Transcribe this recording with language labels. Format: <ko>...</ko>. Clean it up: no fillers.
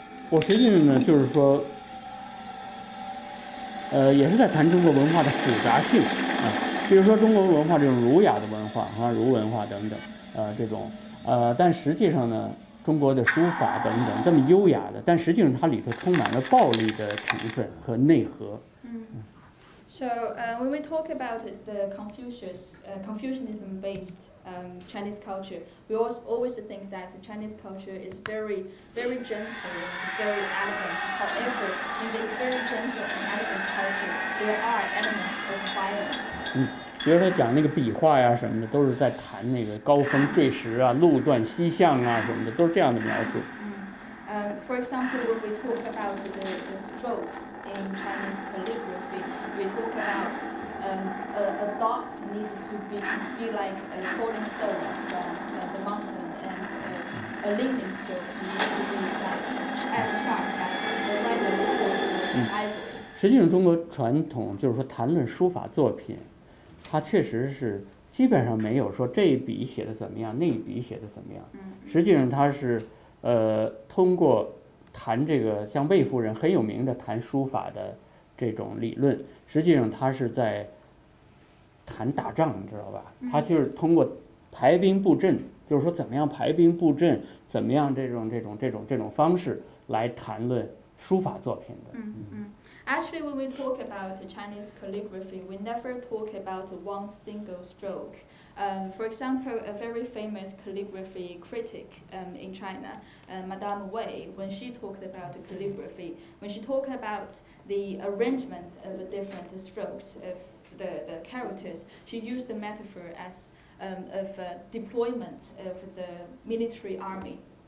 <zh>我实际上呢，就是说，也是在谈中国文化的复杂性啊，比如说中国文化这种儒雅的文化啊，儒文化等等。这种但实际上呢，中国的书法等等这么优雅的，但实际上它里头充满了暴力的成分和内核。</zh> <en>So when we talk about the Confucianism based Chinese culture, we always think that Chinese culture is very, very gentle and very elegant. However, in this very gentle and elegant culture, there are elements of violence.</en> <zh>比如说讲那个笔画呀、什么的，都是在谈那个高峰坠石啊、路段西向啊什么的，都是这样的描述。</zh> <en>For example, when we talk about the strokes in Chinese calligraphy, we talk about a dot needs to be like a falling stone from the mountain, and a leaning stroke needs to be like as sharp as the writer's sword or ivory.</en> <zh>实际上，中国传统就是说谈论书法作品。它确实是基本上没有说这一笔写的怎么样，那一笔写的怎么样。实际上它是，通过谈这个像魏夫人很有名的谈书法的这种理论，实际上它是在谈打仗，你知道吧？它就是通过排兵布阵，就是说怎么样排兵布阵，怎么样这种方式来谈论书法作品的。</zh> <en>Actually, when we talk about Chinese calligraphy, we never talk about one single stroke. For example, a very famous calligraphy critic in China, Madame Wei, when she talked about calligraphy, when she talked about the arrangement of the different strokes of the characters, she used the metaphor as of deployment of the military army.</en>